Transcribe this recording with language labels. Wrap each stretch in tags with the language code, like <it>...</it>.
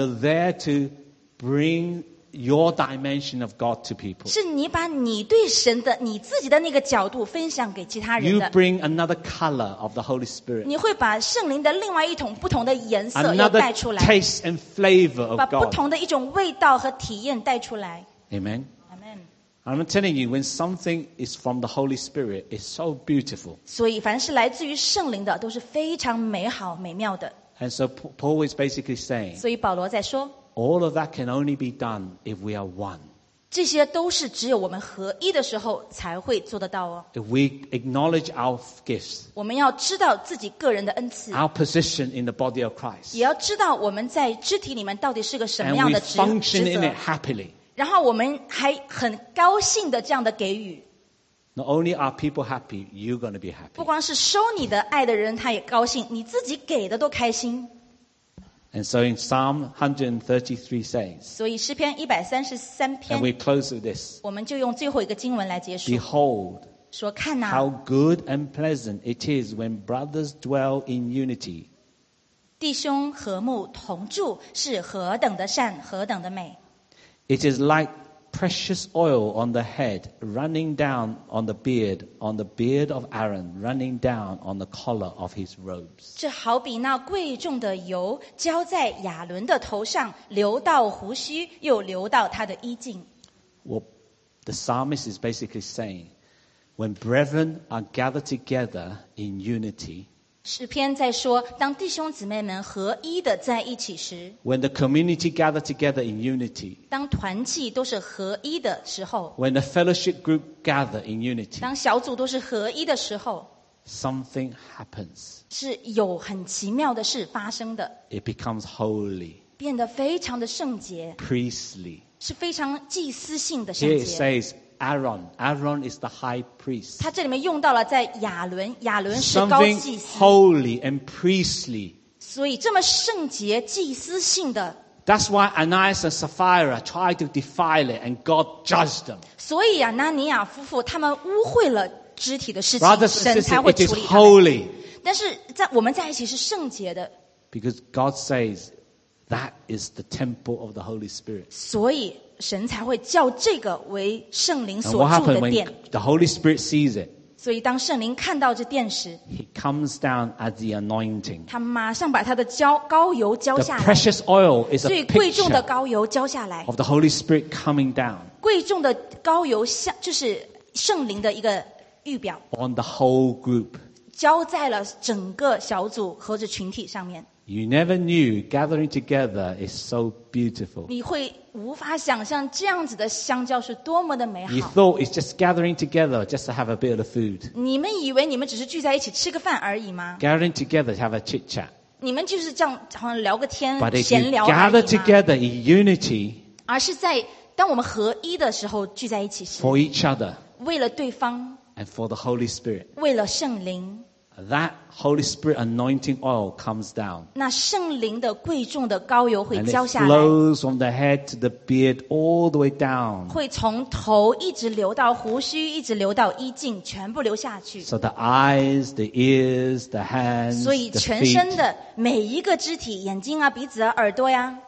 <en>You're there to bring your dimension of God to people.</en> <zh>是你把你对神的你自己的那个角度分享给其他人的。</zh> <en>You bring another color of the Holy Spirit.</en> <zh>你会把圣灵的另外一种不同的颜色又带出来。</zh> <en>Another taste and flavor of God.</en> <zh>把不同的一种味道和体验带出来。</zh> <en>Amen. I'm telling you, when something is from the Holy Spirit, it's so beautiful.</en> <zh>所以凡是来自于圣灵的都是非常美好美妙的。</zh> <en>And so Paul is basically saying,</en> <zh>所以保罗在说,</zh> <en>all of that can only be done if we are one.</en> <zh>这些都是只有我们合一的时候才会做得到哦。</zh> <en>If we acknowledge our gifts,</en> <zh>我们要知道自己个人的恩赐,</zh> <en>our position in the body of Christ,</en> <zh>也要知道我们在肢体里面到底是个什么样的职责,</zh> <en>and we function in it happily.</en> <zh>然后我们还很高兴的这样的给予。</zh> <en>Not only are people happy, you're going to be happy.</en> <zh>不光是收你的爱的人他也高兴，你自己给的都开心。</zh> <en>And so in Psalm 133 says.</en> <zh>所以诗篇133篇。</zh> <en>And we close with this.</en> <zh>我们就用最后一个经文来结束。</zh> <en>Behold.</en> <zh>说看哪。</zh> <en>How good and pleasant it is when brothers dwell in unity.</en> <zh>弟兄和睦同住是何等的善，何等的美。</zh> <en>It is like precious oil on the head, running down on the beard of Aaron, running down on the collar of his robes.</en> <zh>这好比那贵重的油浇在亚伦的头上，流到胡须，又流到他的衣襟。</zh> <en>Well, the psalmist is basically saying, when brethren are gathered together in unity,</en> <zh>诗篇在说，当弟兄姊妹们合一的在一起时</zh> <en>，When the community gather together in unity，</en> <zh>当团契都是合一的时候</zh> <en>，When the fellowship group gather in unity，</en> <zh>当小组都是合一的时候</zh> <en>，Something happens，</en> <zh>是有很奇妙的事发生的</zh> <en>，It becomes holy，</en> <zh>变得非常的圣洁</zh> <en>，Priestly，</en> <zh>是非常祭司性的圣洁。</zh> <en>Here it says。 Aaron is the high priest.</en> <zh>他这里面用到了在亚伦，亚伦是高祭司。</zh> <en>Something holy and priestly.</en> <zh>所以这么圣洁祭司性的。</zh> <en>That's why Ananias and Sapphira tried to defile it, and God judged them.</en> <zh>所以亚拿尼亚夫妇他们污秽了肢体的事情，</zh> <en>Brothers and sisters,</en> <zh>神才会处理他们。</zh> <en>It is holy.</en> <zh>但是在我们在一起是圣洁的。</zh> <en>Because God says that is the temple of the Holy Spirit.</en> <zh>所以。神才会叫这个为圣灵所住的殿。</zh> <en>The Holy Spirit sees it.</en> <zh>所以当圣灵看到这殿时</zh> <en>，He comes down as the anointing.</en> <zh>他马上把他的膏膏油浇下来。</zh> <en>The precious oil is a picture.</en> <zh>最贵重的膏油浇下来。</zh> <en>Of the Holy Spirit coming down.</en> <zh>贵重的膏油下就是圣灵的一个预表。</zh> <en>On the whole group.</en> <zh>浇在了整个小组或者群体上面。</zh> <en>You never knew gathering together is so beautiful.</en> <zh>你会无法想象这样子的相交是多么的美好。</zh> <en>You thought it's just gathering together just to have a bit of food.</en> <zh>你们以为你们只是聚在一起吃个饭而已吗</zh> <en>？Gathering together to have a chit chat.</en> <zh>你们就是这样好像聊个天闲聊而已吗</zh> <en>？But if you gather together in unity,</en> <zh>而是在当我们合一的时候聚在一起时</zh> <en>，for each other,</en> <zh>为了对方</zh> <en>，and for the Holy Spirit,</en> <zh>为了圣灵。</zh> <en>That Holy Spirit anointing oil comes down.</en> <zh>那圣灵的贵重的膏油会浇下来。</zh> <en>And it flows from the head to the beard all the way down.</en> <zh>会从头一直流到胡须，一直流到衣襟，全部流下去。</zh> <en>So the eyes, the ears, the hands, the feet.</en> <zh>所以全身的每一个肢体，眼睛啊，鼻子啊，耳朵呀。</zh>